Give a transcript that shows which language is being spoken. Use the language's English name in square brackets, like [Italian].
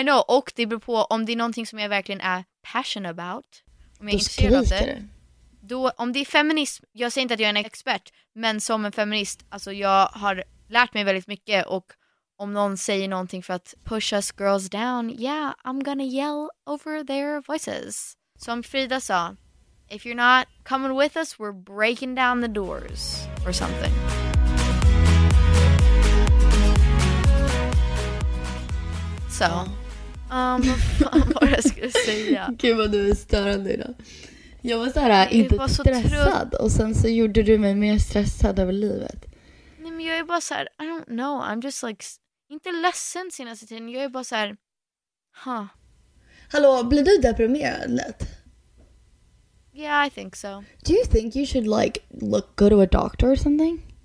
[English] I know, [Swedish] och det beror på om det är någonting som jag verkligen är [English] passionate about. [Swedish] Om jag då skriker du. Då, om det är feminism, jag säger inte att jag är en expert, men som en feminist, alltså jag har lärt mig väldigt mycket, och om någon säger någonting för att [English] push us girls down, yeah, I'm gonna yell over their voices. [Swedish] Som Frida sa, [English] if you're not coming with us, we're breaking down the doors or something. [Swedish] So, vad jag skulle säga. Gud vad du är störande idag. Jag var såhär inte var så stressad och sen så gjorde du mig mer stressad över livet. Nej men jag är bara så här, [English] I don't know, I'm just like, [Swedish] inte ledsen senaste tiden, jag är bara så här. Hallå, blir du deprimerad lätt? [English] Yeah, I think so. Do you think you should like look go to a doctor or something?